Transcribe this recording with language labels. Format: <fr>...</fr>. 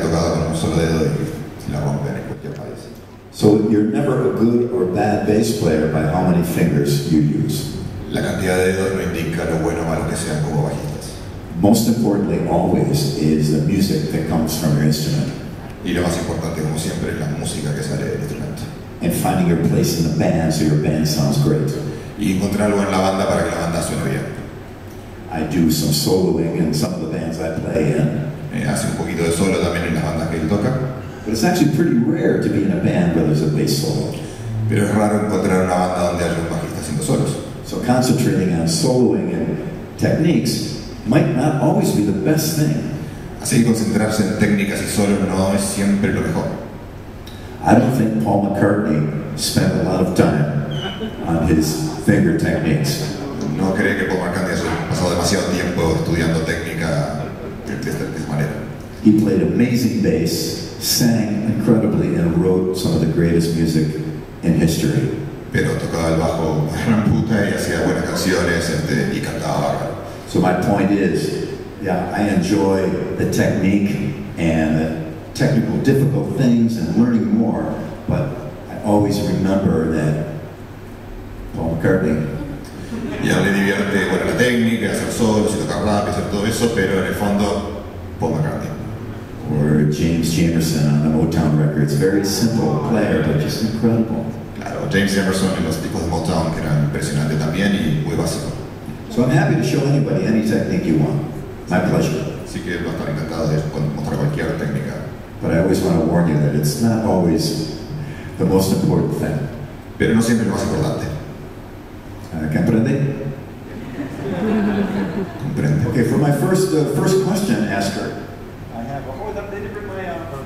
<en>bass player by how many fingers you use.</en> <es>La cantidad de dedos no indica lo bueno o malo que sean como bajistas.</es> <en>Most importantly, always, is the music that comes from your instrument.</en> <es>Y lo más importante, como siempre, es la música que sale del instrumento.</es> <en>And finding your place in the band so your band sounds great.</en> <es>Y encontrarlo en la banda para que la banda suene bien.</es> <en>I do some soloing in some of the bands I play in.</en> <es>Hace un poquito de solo también en las bandas que él toca.</es> <en>But it's actually pretty rare to be in a band where there's a bass solo.</en> <es>Pero es raro encontrar una banda donde haya un bajista haciendo solos.</es> <en>So concentrating on soloing and techniques might not always be the best thing.</en> <es>Así que concentrarse en técnicas y solo no es siempre lo mejor.</es> <en>I don't think Paul McCartney spent a lot of time on his finger techniques.</en> <es>No creo que Paul McCartney haya pasado demasiado tiempo estudiando técnica de esta manera.</es> <en>He played amazing bass, sang incredibly, and wrote some of the greatest music in history.</en> <es>Pero tocaba el bajo gran puta y hacía buenas canciones y cantaba.</es> <en>So my point is, yeah, I enjoy the technique and the technical difficult things and learning more, but I always remember that Paul McCartney.</en> <es>Ya le divierte bueno la técnica, hacer solos y tocar rápido, hacer todo eso, pero en el fondo, Paul McCartney.</es> <en>Or James Jamerson on the Motown records, very simple player, but just incredible.</en> <es>Claro, James Jamerson y los tipos de Motown que eran impresionantes también y muy básicos.</es> <en>So I'm happy to show anybody any technique you want. My pleasure.</en> <es>Así que va a estar encantado de mostrar cualquier técnica.</es> <en>But I always want to warn you that it's not always the most important thing.</en> <es>Pero no siempre lo más importante. ¿Comprende? Comprende.</es> <en>Okay, for my first question, ask her. I have. Oh, they didn't bring my</en>